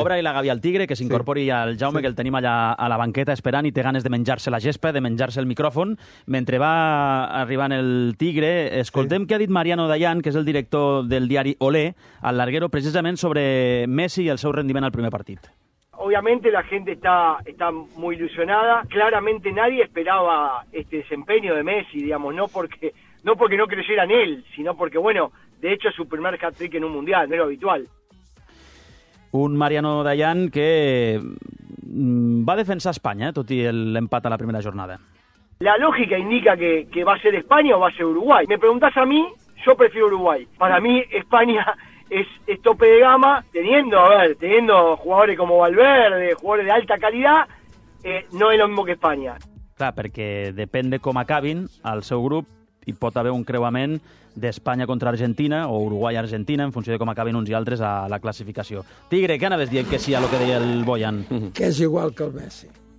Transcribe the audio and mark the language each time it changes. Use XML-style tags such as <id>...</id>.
<ca>Obre-hi la gàbia al tigre, que s'incorpori sí. al Jaume, sí. que el tenim allà a la banqueta esperant i té ganes de menjar-se la gespa, de menjar-se el micròfon. Mentre va arribant el tigre, escoltem sí. què ha dit Mariano Dayan, que és el director del diari Olé, al Larguero, precisament sobre Messi i el seu rendiment al primer partit.</ca> <es>Obviamente la gente está muy ilusionada. Claramente nadie esperaba este desempeño de Messi, digamos, no porque no creyera en él, sino porque, bueno, de hecho es su primer hat-trick en un Mundial, no era habitual.</es> <ca>Un Mariano Dayan que va a defensar España, tot i l'empat a la primera jornada.</ca> <es>La lógica indica que va a ser España o va a ser Uruguay. Me preguntás a mí, yo prefiero Uruguay. Para mí España es tope de gama, teniendo jugadores como Valverde, jugadores de alta calidad, no es lo mismo que España.</es> <ca>Clar, perquè depèn de com acabin al seu grup, hi pot haver un creuament d'Espanya contra Argentina o Uruguai-Argentina en funció de com acaben uns i altres a la classificació. Tigre, què anaves dient que sí a lo que deia el Boyan? Que és igual que el Messi.</ca>